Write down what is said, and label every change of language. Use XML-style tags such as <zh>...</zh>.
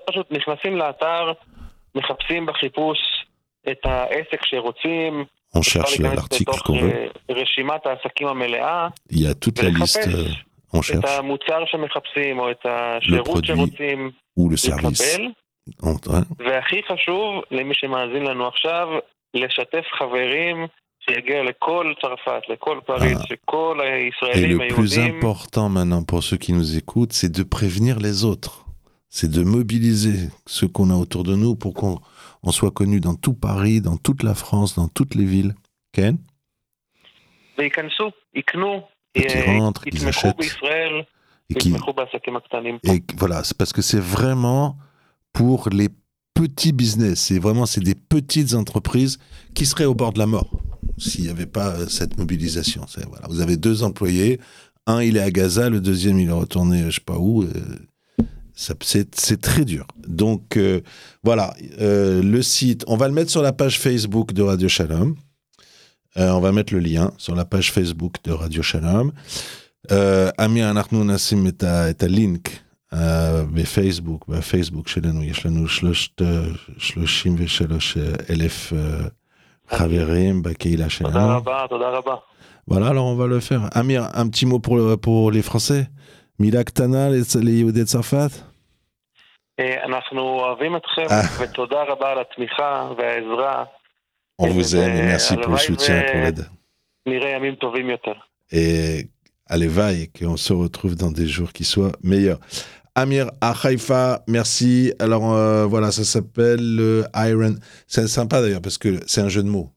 <fr>Nous sommes à l'atar, nous sommes à Chipus.</fr> <he>את העסק שרוצים.</he> <fr>On cherche l'article qu'on veut.</fr> <he>רשימת העסקים המלאה.</he> <fr>Il y a toute la liste. On cherche.</fr> <he>את המוצר שמחפשים, או את השירות שרוצים.</he> <fr>Ou le service.</fr> <he>והכי חשוב, למי שמאזין לנו עכשיו, לשתף חברים שיגיע לכל צרפת, לכל פריז, שכל הישראלים היהודים.</he> <fr>Et le plus important maintenant pour ceux qui nous écoutent, c'est de prévenir les autres. C'est de mobiliser ceux qu'on a autour de nous pour qu'on... on soit connu dans tout Paris, dans toute la France, dans toutes les villes.</fr> <he>Ken?</he> <fr>Ils rentrent, ils achètent. Et voilà, c'est parce que c'est vraiment pour les petits business. C'est vraiment, c'est des petites entreprises qui seraient au bord de la mort s'il n'y avait pas cette mobilisation. C'est, voilà. Vous avez deux employés. Un, il est à Gaza. Le deuxième, il est retourné je ne sais pas où. C'est très dur. Donc, voilà, le site, on va le mettre sur la page Facebook de Radio Shalom. On va mettre le lien sur la page Facebook de Radio Shalom.</fr> <he>Amir, אנחנו נשים את הלינק בפייסבוק, בפייסבוק שלנו, יש לנו 33 אלף חברים בקהילה שלנו. תודה רבה.</he> <fr>Voilà, alors on va le faire. Amir, un petit mot pour les Français.</fr> <he>מילה קטנה ליהודי צרפת. אנחנו אוהבים אתכם, ותודה רבה על התמיכה והעזרה.</he> <fr>On vous aime, merci pour le soutien, pour l'aide.</fr> <he>נראה ימים טובים יותר.</he> <fr>הלוואי, qu'on se retrouve dans des jours qui soient meilleurs. Amir à Haïfa, merci. Alors voilà, ça s'appelle le Iron. C'est sympa d'ailleurs, parce que c'est un jeu de mots.</fr>